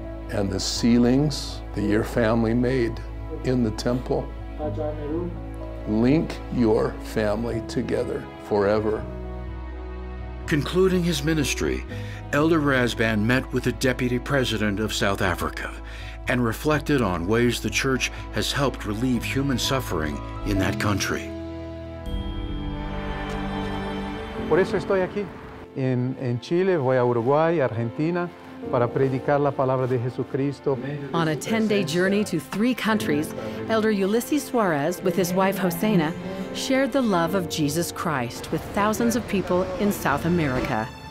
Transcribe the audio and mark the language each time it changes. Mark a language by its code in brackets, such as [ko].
[en] And the ceilings that your family made in the temple link your family together forever. Concluding his ministry, Elder Rasband met with the deputy president of South Africa and reflected on ways the church has helped relieve human suffering in that country. [es] Por eso estoy aquí. En Chile, voy a Uruguay, Argentina, para predicar la palabra de Jesucristo. [en] On a 10-day journey to three countries, Elder Ulysses Soarres, with his wife Hosena, shared the love of Jesus Christ with thousands of people in South America.